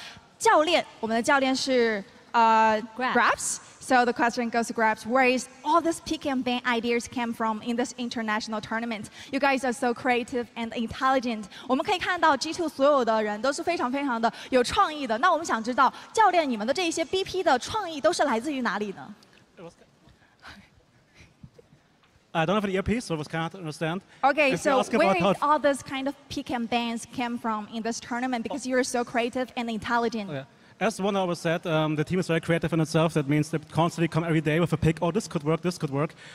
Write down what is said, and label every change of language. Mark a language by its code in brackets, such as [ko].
[zh] 其实我们可能也期待对方会拿出一些比较新奇的选择，但是可能后面他们拿出来是比较正常的一些英雄，那同时呢，我们也是能够有能力去打败他们，而且我们在前期，我们的游戏前期做的也是非常棒的。那最后一个问题要问到的是我们的教练，我们的教练是 [en] Grabs. So the question goes to Grabs. Where is all this pick and ban ideas came from in this international tournament? You guys are so creative and intelligent. [zh] 我们可以看到 G2 所有的人都是非常非常的有创意的。那我们想知道，教练，你们的这一些 BP 的创意都是来自于哪里呢？ [en] I don't have an earpiece, so I can't understand. Okay, so where is all this kind of pick and bans came from in this tournament? Because you are so creative and intelligent. Okay. As one always said, the team is very creative in itself. That means they constantly come every day with a pick. Oh, this could work, this could work.